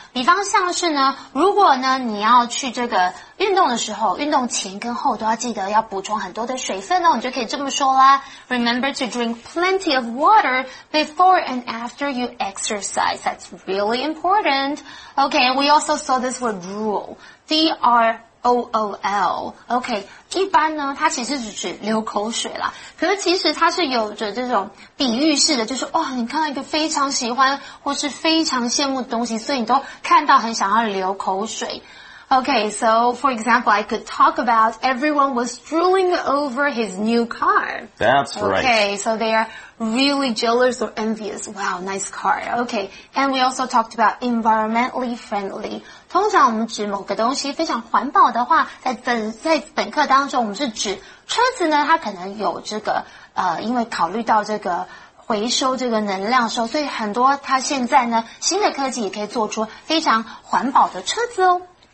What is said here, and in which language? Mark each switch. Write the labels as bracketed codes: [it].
[zh] 比方像是呢，如果呢你要去这个运动的时候，运动前跟后都要记得要补充很多的水分哦，你就可以这么说啦。 [en] Remember to drink plenty of water before and after you exercise. That's really important. Okay, we also saw this word drool. D-R-O-O-L. [zh] Okay, 一般呢它其实只是流口水啦，可是其实它是有着这种比喻式的，就是哇，你看到一个非常喜欢或是非常羡慕的东西，所以你都看到很想要流口水。 [en] Okay, so for example, I could talk about everyone was drooling over his new car. That's right. Okay, so they are really jealous or envious. Wow, nice car. Okay, and we also talked about environmentally friendly. [zh] 通常我们指某个东西非常环保的话，在本课当中我们是指车子呢，它可能有这个因为考虑到这个回收这个能量的时候，所以很多它现在呢新的科技也可以做出非常环保的车子哦。